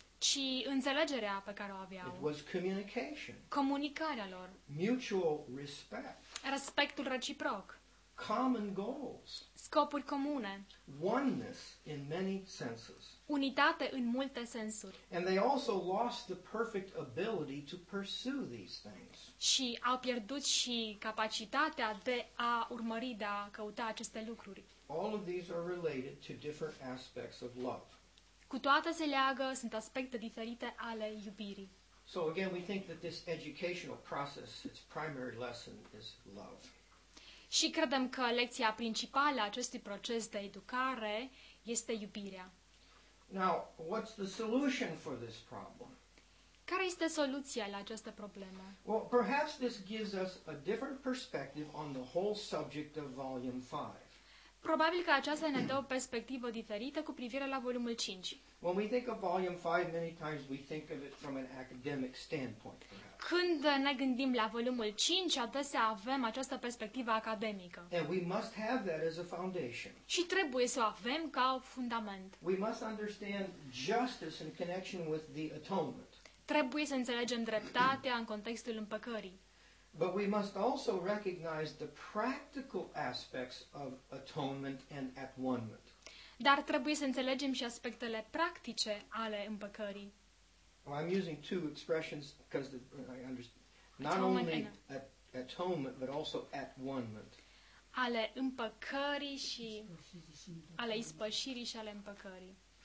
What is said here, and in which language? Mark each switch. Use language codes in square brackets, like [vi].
[ro] Ci înțelegerea pe care o aveau. [en] It was communication. [ro] Comunicarea lor. [en] Mutual respect. [ro] Respectul reciproc. [en] Common goals. [ro] Scopuri comune. [en] Oneness in many senses. [ro] Unitate în multe sensuri. [en] And they also lost the perfect ability to pursue these things. [ro] Și au pierdut și capacitatea de a urmări, de a căuta aceste lucruri. [en] All of these are related to different aspects of love. [ro] Cu toate se leagă, sunt aspecte diferite ale iubirii. [en] So again, we think that this educational process, its primary lesson is love. [ro] Și credem că lecția principală a acestui proces de educare este iubirea. [en] Now, what's the solution for this problem? [ro] Care este soluția la această problemă? [en] Well, perhaps this gives us a different perspective on the whole subject of volume 5. [ro] Probabil că aceasta ne dă o perspectivă diferită cu privire la volumul 5. [en] When we think of volume 5, many times we think of it from an academic standpoint. [ro] Când ne gândim la volumul 5, adesea avem această perspectivă academică. [en] And we must have that as a foundation. [ro] Și trebuie să o avem ca fundament. [en] We must understand justice in connection with the atonement. [ro] Trebuie să înțelegem dreptatea în contextul împăcării. [en] But we must also recognize the practical aspects of atonement and at-one-ment. [ro] Dar trebuie să înțelegem și aspectele practice ale împăcării. [en] Well, I'm using two expressions because I understand. Not only atonement, but also at-one-ment. [ro] Ale împăcării și ale ispășirii și ale împăcării.